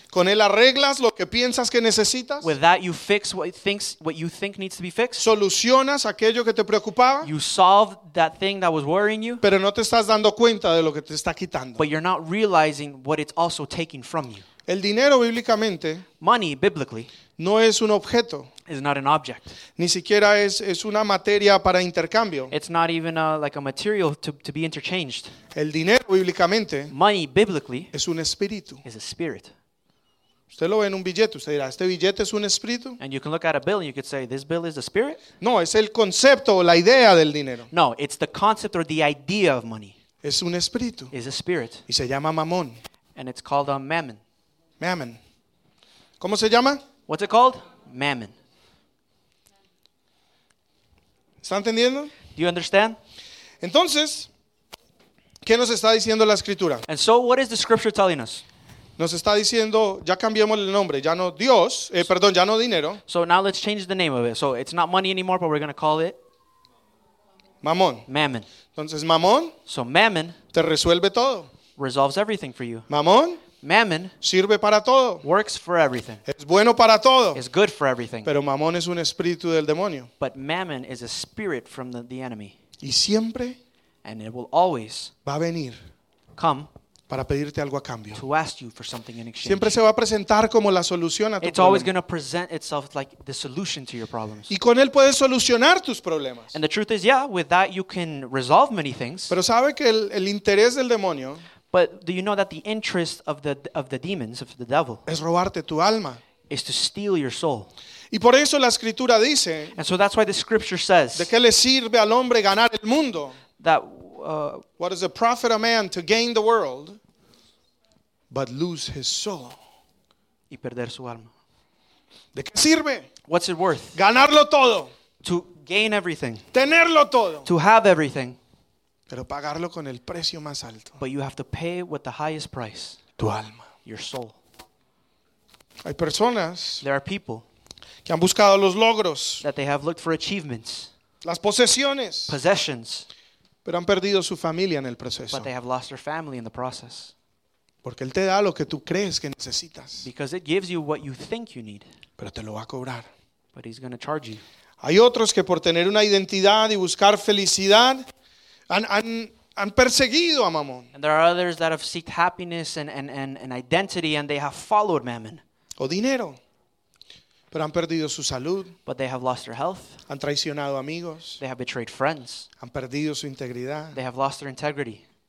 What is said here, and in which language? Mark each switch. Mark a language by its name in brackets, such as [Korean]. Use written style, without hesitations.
[Spanish] Con él arreglas lo que piensas que necesitas. [English] With that you fix what you think needs to be fixed. [Spanish] Solucionas aquello que te preocupaba. [English] You solve that thing that was worrying you. [Spanish] Pero no te estás dando cuenta de lo que te está quitando. [English] But you're not realizing what it's also taking from you. [Spanish] El dinero bíblicamente. [English] Money, biblically. [Spanish] No es un objeto. [English] Is not an object. [Spanish] Ni siquiera es una materia para intercambio. [English] It's not even like a material to be interchanged. [Spanish] El dinero bíblicamente. [English] Money, biblically. [Spanish] Es un espíritu. [English] Is a spirit. [Spanish] Usted lo ve en un billete. Usted dirá, ¿este billete es un espíritu? [English] And you can look at a bill and you could say, this bill is a spirit? [Spanish] No, es el concepto o la idea del dinero. [English] No, it's the concept or the idea of money. [Spanish] Es un espíritu. [English] Is a spirit. [Spanish] Y se llama mamón. [English] And it's called a mammon. [Spanish] Mammon. ¿Cómo se llama? [English] What's it called? Mammon. [Spanish] ¿Está entendiendo? [English] Do you understand? [Spanish] Entonces, ¿qué nos está diciendo la escritura? [English] And so what is the scripture telling us? [Spanish] Nos está diciendo, ya cambiemos el nombre, ya no Dios, perdón, ya no dinero. [English] So now let's change the name of it. So it's not money anymore, but we're going to call it [Spanish] Mamón. [English] Mammon. [Spanish] Entonces, Mamón. [English] So Mammon. [Spanish] Te resuelve todo. [English] Resolves everything for you. [Spanish] Mamón. [English] Mammon [Spanish] sirve para todo. [English] Works for everything. [Spanish] Es bueno para todo. [English] Is good for everything. [Spanish] Pero mamón es un espíritu del demonio. [English] But mammon is a spirit from the enemy. [Spanish] Y siempre. [English] And it will always. [Spanish] Va a venir. [English] Come. [Spanish] Para pedirte algo a cambio. [English] To ask you for something in exchange. [Spanish] Siempre se va a presentar como la solución a tu [English] It's [Spanish] problema. [English] Always going to present itself like the solution to your problems. [Spanish] Y con él puedes solucionar tus problemas. [English] And the truth is, yeah, with that you can resolve many things. [Spanish] Pero sabe que el interés del demonio. [English] But do you know that the interest of the demons, of the devil, [Spanish] es robarte tu alma. [English] Is to steal your soul. [Spanish] Y por eso la escritura dice, [English] and so that's why the scripture says, [Spanish] ¿de qué le sirve al hombre ganar el mundo? [English] That, what is the profit of man to gain the world, but lose his soul? [Spanish] Y perder su alma. ¿De qué sirve? [English] What's it worth? [Spanish] Ganarlo todo. [English] To gain everything. [Spanish] Tenerlo todo. [English] To have everything. [Spanish] Pero pagarlo con el precio más alto. [English] But you have to pay with the highest price. [Spanish] Tu alma. [English] Your soul. [Spanish] Hay personas. [English] There are people. [Spanish] Que han buscado los logros. [English] That they have looked for achievements. [Spanish] Las posesiones. [English] Possessions. [Spanish] Pero han perdido su familia en el proceso. [English] But they have lost their family in the process. [Spanish] Porque él te da lo que tú crees que necesitas. [English] Because it gives you what you think you need. [Spanish] Pero te lo va a cobrar. [English] But he's going to charge you. [Spanish] Hay otros que por tener una identidad y buscar felicidad. Han perseguido a Mamón. [English] And there are others that have sought happiness and identity, and they have followed Mammon. [Spanish] O dinero. Pero han perdido su salud. [English] But they have lost their health. [Spanish] Han traicionado amigos. [English] They have betrayed friends. [Spanish] Han perdido su integridad. [English] They have lost their integrity.